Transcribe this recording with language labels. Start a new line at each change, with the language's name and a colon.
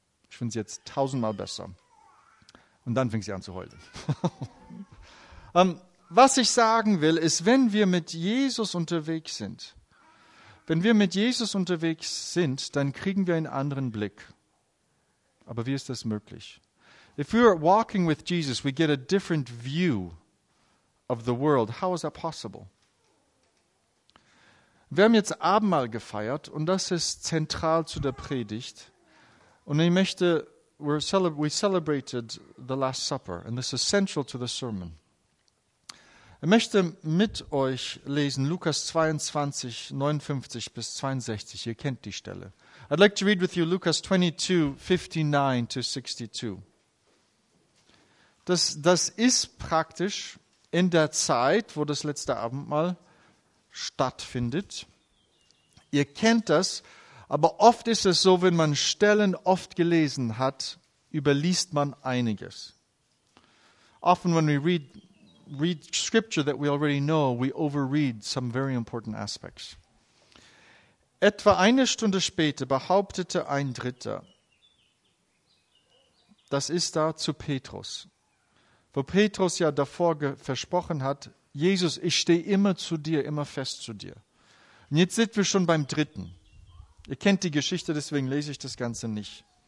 German: Ich finde sie jetzt 1000-mal besser. Und dann fing sie an zu heulen. Was ich sagen will, ist, wenn wir mit Jesus unterwegs sind, dann kriegen wir einen anderen Blick. Aber wie ist das möglich?
English: If we're walking with Jesus, we get a different view of the world. How is that possible?
German: Wir haben jetzt Abendmahl gefeiert und das ist zentral zu der Predigt. Und ich möchte,
English: we celebrated the Last Supper and this is central to the sermon.
German: Ich möchte mit euch lesen Lukas 22, 59 bis 62. Ihr kennt die Stelle.
English: I'd like to read with you Lukas 22, 59 to 62.
German: Das ist praktisch in der Zeit, wo das letzte Abendmahl stattfindet. Ihr kennt das, aber oft ist es so, wenn man Stellen oft gelesen hat, überliest man einiges.
English: Often when we read scripture that we already know, we overread some very important aspects.
German: Etwa eine Stunde später behauptete ein Dritter, das ist da zu Petrus, wo Petrus ja davor versprochen hat, Jesus, ich stehe immer zu dir, immer fest zu dir. Und jetzt sind wir schon beim Dritten. Ihr kennt die Geschichte, deswegen lese ich das Ganze nicht.